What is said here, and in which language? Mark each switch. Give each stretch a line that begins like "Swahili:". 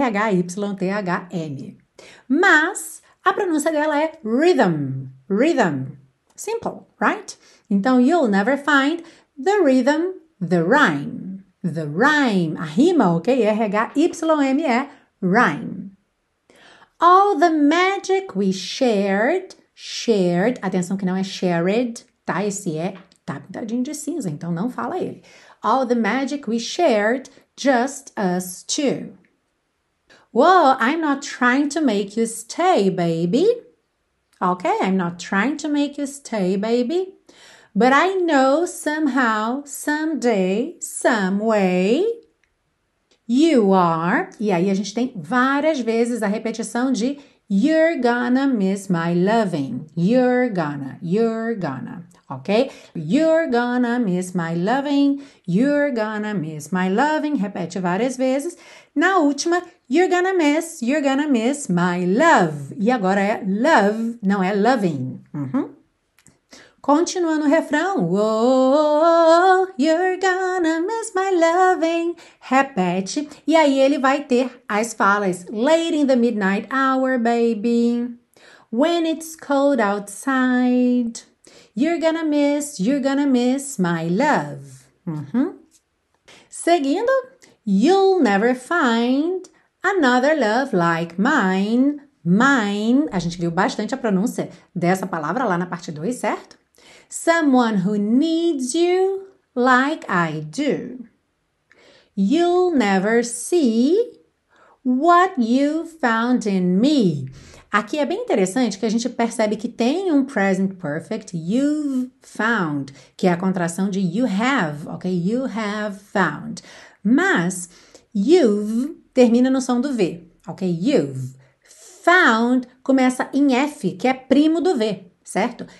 Portuguese: RHYTHM. Mas a pronúncia dela é rhythm.
English: Rhythm. Simple, right? Então, you'll never find the rhythm, the rhyme. The rhyme.
Portuguese: A rima,
English: ok? RHYME. Rhyme. All the magic we shared. Shared.
Portuguese: Atenção que não é shared, tá? Esse é. Tá pintadinho de cinza, então não fala ele.
English: All the magic we shared, just us two. Well, I'm not trying to make you stay, baby. Okay, I'm not trying to make you stay, baby. But I know somehow, someday, some way, you are.
Portuguese: E aí a gente tem várias vezes a repetição de
English: you're gonna miss my loving. You're gonna, ok? You're gonna miss my loving. You're gonna miss my loving.
Portuguese: Repete várias vezes. Na última,
English: you're gonna miss my love.
Portuguese: E agora é love, não é loving. Uhum. Continuando o refrão.
English: Oh, you're gonna miss my loving. Repete.
Portuguese: E aí ele vai ter as falas.
English: Late in the midnight hour, baby. When it's cold outside. You're gonna miss my love. Uhum.
Portuguese: Seguindo.
English: You'll never find another love like mine. Mine.
Portuguese: A gente viu bastante a pronúncia dessa palavra lá na parte 2, certo?
English: Someone who needs you like I do. You'll never see what you found in me.
Portuguese: Aqui é bem interessante que a gente percebe que tem um present perfect,
English: you've found,
Portuguese: que é a contração de
English: you have,
Portuguese: ok?
English: You have found.
Portuguese: Mas,
English: you've
Portuguese: termina no som do V, ok?
English: You've found
Portuguese: começa em F, que é primo do V. Certo?